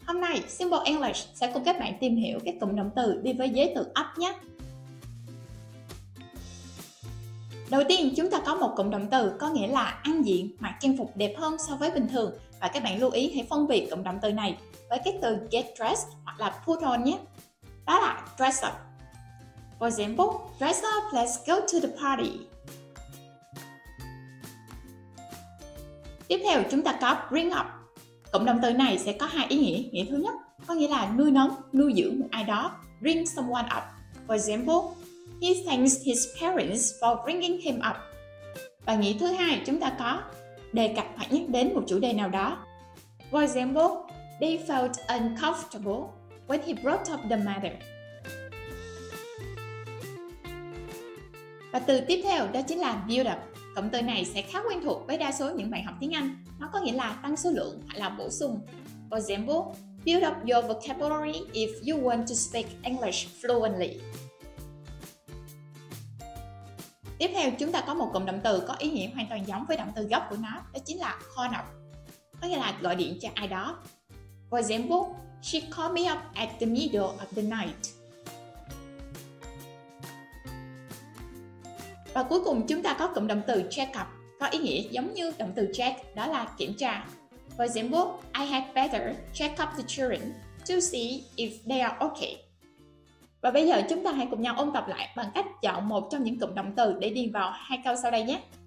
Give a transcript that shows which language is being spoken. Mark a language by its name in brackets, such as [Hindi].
[Vietnamese] Hôm nay, Simple English sẽ cùng các bạn tìm hiểu các cụm động từ đi với giới từ up nhé. Đầu tiên, chúng ta có một cụm động từ có nghĩa là ăn diện, mặc trang phục đẹp hơn so với bình thường. Và các bạn lưu ý hãy phân biệt cụm động từ này với các từ get dressed hoặc là put on nhé. Đó là dress up. [English] For example, dress up, let's go to the party. [Vietnamese] Tiếp theo chúng ta có bring up. Cụm động từ này sẽ có hai ý nghĩa. Nghĩa thứ nhất có nghĩa là nuôi nấng, nuôi dưỡng một ai đó. [English] Bring someone up. For example, he thanks his parents for bringing him up. [Vietnamese] Và nghĩa thứ hai chúng ta có đề cập hoặc nhắc đến một chủ đề nào đó. [English] For example, they felt uncomfortable when he brought up the matter. [Vietnamese] Và từ tiếp theo đó chính là build up. Cụm từ này sẽ khá quen thuộc với đa số những bạn học tiếng Anh. Nó có nghĩa là tăng số lượng hoặc là bổ sung. [English] For example, build up your vocabulary if you want to speak English fluently. [Vietnamese] Tiếp theo, chúng ta có một cụm động từ có ý nghĩa hoàn toàn giống với động từ gốc của nó, đó chính là call up. Có nghĩa là gọi điện cho ai đó. [English] For example, she called me up at the middle of the night. [Vietnamese] Và cuối cùng chúng ta có cụm động từ check up, có ý nghĩa giống như động từ check, đó là kiểm tra. [English] For example, I had better check up the children to see if they are okay. [Vietnamese] Và bây giờ chúng ta hãy cùng nhau ôn tập lại bằng cách chọn một trong những cụm động từ để điền vào hai câu sau đây nhé.